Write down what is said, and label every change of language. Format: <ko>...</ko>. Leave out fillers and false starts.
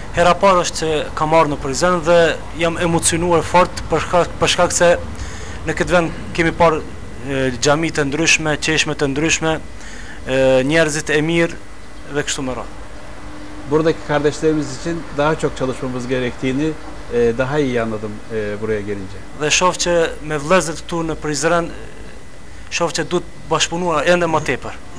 <sq>Hera parë është që ka marrë në Prizren dhe jam emocionuar fort për shkak se në këtë vend kemi parë xhami të ndryshme, çeshme të ndryshme, njerëzit e mirë dhe kështu me radhë.</sq> <tr>Buradaki kardeşlerimiz için daha çok çalışmamız gerektiğini daha iyi anladım buraya gelince.</tr> <sq>Dhe shof që me vëllezër këtu në Prizren shoh që duhet bashkëpunuar ende më tepër.</sq>